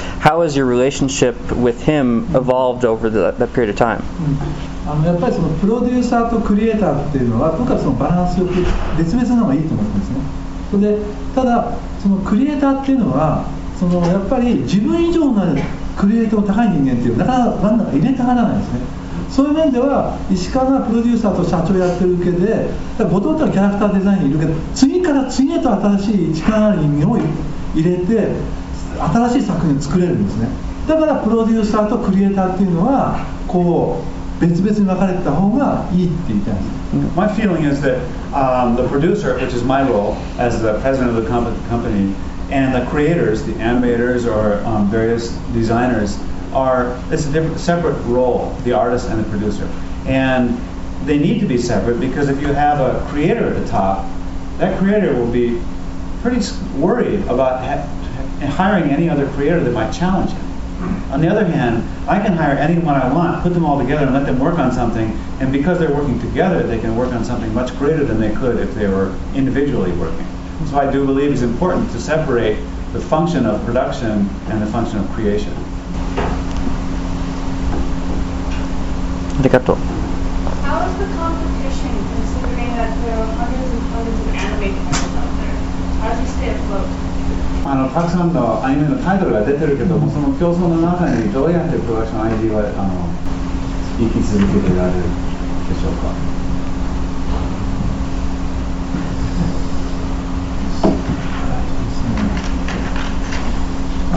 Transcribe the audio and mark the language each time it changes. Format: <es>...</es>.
<en>How has your relationship with him evolved over that period of time?</en> <ja>やっぱりそのプロデューサーとクリエイターっていうのは、僕はそのバランスよく別々の方がいいと思うんですね。それで、ただそのクリエイターっていうのは、そのやっぱり自分以上のクリエイティブ高い人間っていうなかなか入れたがらないですね。そういう面では石川がプロデューサーと社長やってるわけで、後藤はキャラクターデザインいるけど、次から次へと新しい力のある人間を入れて新しい作品を作れるんですね。だからプロデューサーとクリエイターっていうのはこう別々に分かれてた方がいいって言いたいんです。</ja> <en>My feeling is that the producer, which is my role as the president of the company, and the creators, the animators or various designers, are it's a different, separate role, the artist and the producer. And they need to be separate because if you have a creator at the top, that creator will be pretty worried about hiring any other creator that might challenge him. On the other hand, I can hire anyone I want, put them all together and let them work on something, and because they're working together, they can work on something much greater than they could if they were individually working. So I do believe it's important to separate the function of production and the function of creation.</en> <ja>ありがとう。</ja> <en>How is the competition considering that there are hundreds and hundreds of anime characters out there? How do you stay afloat?</en> <ja>たくさんのアニメのタイトルが出てるけども、その競争の中にどうやってプロダクション ID は生き続けていられるでしょうか。</ja>